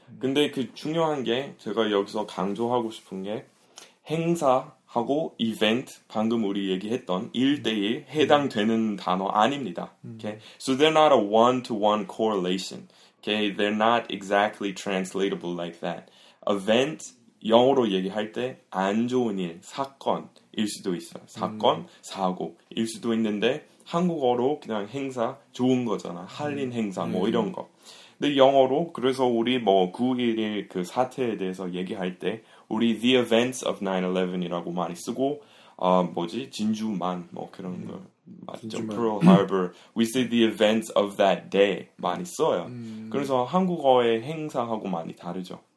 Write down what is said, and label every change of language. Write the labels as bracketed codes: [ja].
[ko] 근데 그 중요한 게, 제가 여기서 강조하고 싶은 게, 행사하고 event, 방금 우리 얘기했던 일대일 해당되는 단어 아닙니다. [en] Okay? So, they're not a one-to-one correlation. Okay? They're not exactly translatable like that. Event, [ko] 영어로 얘기할 때안 좋은 일, 사건일 수도 있어요. 사건, 사고일 수도 있는데 한국어로 그냥 행사, 좋은 거잖아. 할린 행사 뭐 이런 거. 근데 영어로 그래서 우리 뭐 9.11 그 사태에 대해서 얘기할 때 우리 [en] the events of 9/11 [ko] 이라고 많이 쓰고 뭐지? 진주만 뭐 그런 거 맞죠? 진주만. [en] Pearl Harbor. We say the events of that day [ko] 많이 써요. 그래서 한국어의 행사하고 많이 다르죠.